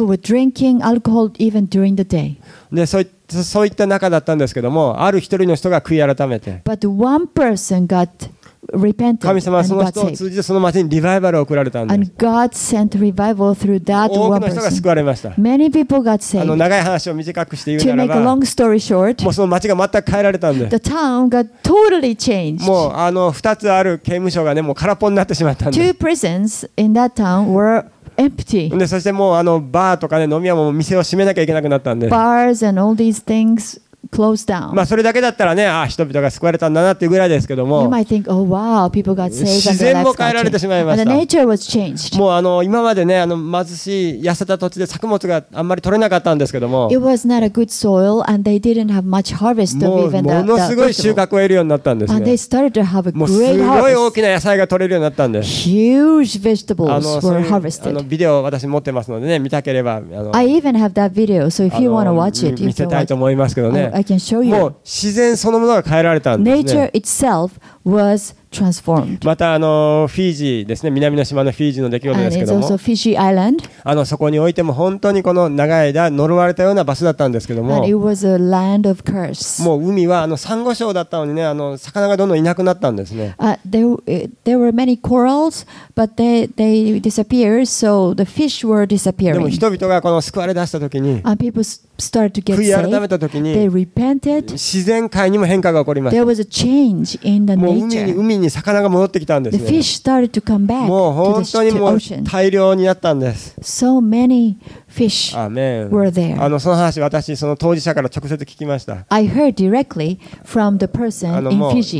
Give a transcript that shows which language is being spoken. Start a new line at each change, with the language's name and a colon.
English: People were drinking alcohol even during the day.
Japanese: で、そういった中だったんですけども、ある一人の人が悔い改めて。
English: But one person got repented.
Japanese: 神様はその人を通じてその街にリバイバルを送られたんです。
English: And God sent revival through that one person.
Japanese: 多くの人が救われました。
English: Many people got saved.
Japanese: 長い話を短くして言うならば、
English: To make a long story short,
Japanese: もうその街が全く変えられたんです。
English: The town got totally changed.
Japanese: もう二つある刑務所がね、もう空っぽになってしまったんです。
English: Two prisons in that town were empty.
Japanese: で、そしてもうバーとかね、飲み屋も店を閉めなきゃいけなくなったんです。
English: Bars and all these things. Close down.
Japanese: まあそれだけだったらね、人々が救われたんだなっていうぐらいですけども、
English: you might think, oh, wow, people got saved and their lives got changed.
Japanese: 自然も変えられてしまいました。
English: And the nature was changed.
Japanese: もう今までね、貧しい痩せた土地で作物があんまり取れなかったんですけども、
English: it was not a good soil and they didn't have much harvest of even that.
Japanese: もうものすごい収穫を得るようになったんですね。
English: And they started to have a great harvest.
Japanese: もうすごい大きな野菜が取れるようになったんです。
English: Huge vegetables were harvested.
Japanese: ビデオを私持ってますのでね、見たければ
English: I even have that video, so if you want to watch it, you can watch.
Japanese: 見せたいと思いますけどね。
English: I can show you.
Japanese: もう自然そのものが変えられたんですね。
English: Nature itself was transformed.
Japanese: またフィジーですね、南の島のフィジーの出来事ですけども、
English: And it's also Fiji Island.
Japanese: そこにおいても本当にこの長い間呪われたような場所だったんですけども、
English: And it was a land of curse.
Japanese: もう海はサンゴ礁だったのにね、魚がどんどんいなくなったんですね。
English: There were many corals, but they disappeared, so the fish were disappearing.
Japanese: でも人々がこの救われ出した時に、
English: And people started to get saved.
Japanese: 悔い改めた時に、
English: They repented.
Japanese: 自然界にも変化が起こりました。
English: There was a change in the nature.
Japanese: 海に魚が戻ってきたんですね。もう本当にもう大量になったんです。
English: So many fish were there.
Japanese: その話私その当事者から直接聞きました。
English: I heard directly from the person in Fiji.